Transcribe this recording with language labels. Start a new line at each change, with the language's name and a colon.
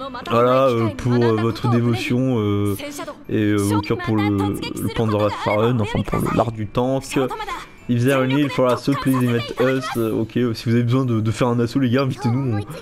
French: Voilà, pour votre dévotion et au cœur pour le Pandora Faron, enfin pour l'art du tank.
English: If there are need for assault, please invite us.
French: Ok, si vous avez besoin de faire un assaut, les gars, invitez-nous.